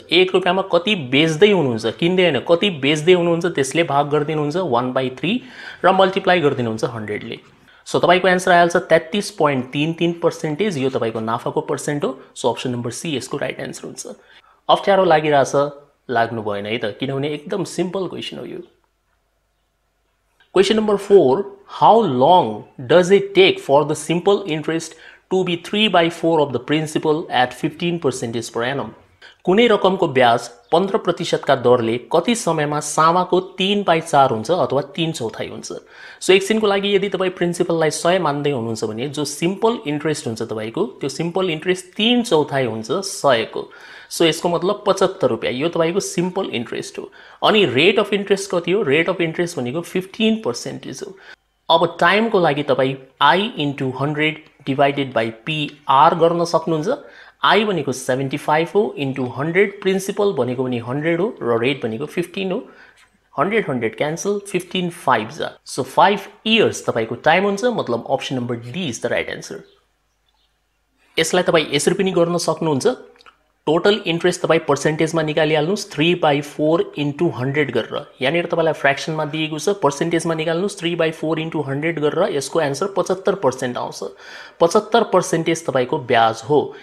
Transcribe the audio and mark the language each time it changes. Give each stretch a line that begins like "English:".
Nepali: 1 रुपैयाँमा कति बेच्दै हुनुहुन्छ, किन्दै हैन, कति बेच्दै हुनुहुन्छ त्यसले भाग गर्दिनुहुन्छ 1/3 र मल्टिप्लाई गर्दिनुहुन्छ 100 ले. सो तपाईको आन्सर आइहाल्छ 33.33%. यो तपाईको नाफाको पर्सेन्ट हो. सो अप्सन नम्बर सी यसको राइट आन्सर हुन्छ. अप्ठ्यारो लागिराछ लाग्नु भएन है त, किनभने एकदम सिम्पल क्वेशन हो यो.
English: Question number 4, how long does it take for the simple interest to be 3/4 of the principal at 15% per annum?
Nepali: कुनै रकमको ब्याज 15% दरले कति समयमा सामाको 3/4 हुन्छ अथवा 3/4 हुन्छ? सो एकछिनको लागि यदि तपाईँ प्रिन्सिपललाई 100 मान्दै हुनुहुन्छ भने जो सिम्पल इन्ट्रेस्ट हुन्छ तपाईँको त्यो सिम्पल इन्ट्रेस्ट 3/4 हुन्छ 100 को. सो यसको मतलब 75 रुपियाँ, यो तपाईँको सिम्पल इन्ट्रेस्ट हो. अनि रेट अफ इन्ट्रेस्ट कति हो? रेट अफ इन्ट्रेस्ट भनेको 15% हो. अब टाइमको लागि तपाईँ I × 100 डिभाइडेड बाई PR गर्न सक्नुहुन्छ. आई भनेको 75 हो, इन्टु 100 प्रिन्सिपल भनेको पनि 100 हो र रेट भनेको 15 हो. 100 क्यान्सल, 15 5 जा. सो 5 इयर्स तपाईँको टाइम हुन्छ.
English: मतलब option number D is the right answer.
Nepali: यसलाई तपाईँ यसरी पनि गर्न सक्नुहुन्छ. टोटल इन्ट्रेस्ट तपाईँ पर्सेन्टेजमा निकालिहाल्नुहोस् 3/4 × 100 गरेर. यहाँनिर तपाईँलाई फ्र्याक्सनमा दिएको छ, पर्सेन्टेजमा निकाल्नुहोस् 3/4 × 100 गरेर. यसको एन्सर 75% आउँछ. 75% तपाईँको ब्याज हो.